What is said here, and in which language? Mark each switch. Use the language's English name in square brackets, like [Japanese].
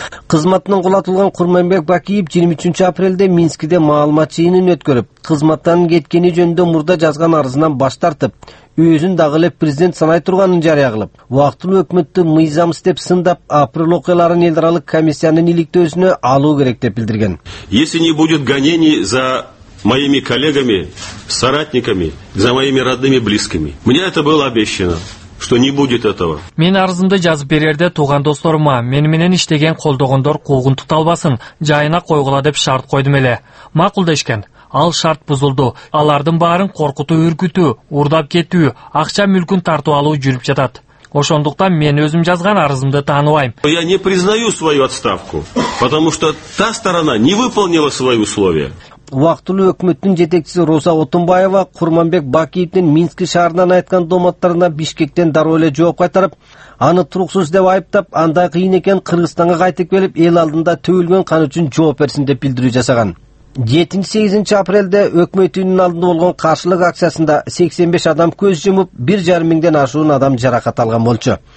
[Kyrgyz] Кызматынан кулатылган Курманбек Бакиев 23 апрелде Минскиде маалымат жыйынын өткөрүп, кызматтан кеткени жөнүндө мурда жазган арызынан баш тартып, өзүн дагы эле президент санай турганын жарыя кылып, убактылуу өкмөттү мыйзамсыз деп сындап, апрель окуяларын эл аралык комиссиянын иликтөөсүнө алуу керек деп билдирген. [Russian] Если не будет гонений за моими коллегами, соратниками, за моими родными, близкими. Мне это было обещано. Что не будет этого. [Kyrgyz] Мен арызымды жазып берерде туган досторума, мени менен иштеген колдогондор куугун туталбасын, жайына койгула деп шарт койдум эле. Макул дешкен. Ал шарт бузулду. Алардын баарын коркутуу, үркүтүү, урдап кетүү, акча мүлкүн тартуу алуу жүрүп жатат. Ошондуктан мен өзүм жазган арызымды тааныбайм. [Russian] Я не признаю свою отставку, потому что та сторона не выполнила свои условия. [Kyrgyz] Убактылуу өкмөттүн жетекчиси Роза Отунбаева Курманбек Бакиевдин Минск шаарынан айткан дооматтарына Бишкектен дароо эле жооп кайтарып, аны туруксуз деп айыптап, андай кыйын экен Кыргызстанга кайтып келип, эл алдында төгүлгөн кан үчүн жооп берсин деп билдирүү жасаган. 7-8 апрелде өкмөт үйүнүн алдында болгон каршылык акциясында 85 адам көз жумуп, 1,500 ашуун адам жаракат алган болчу.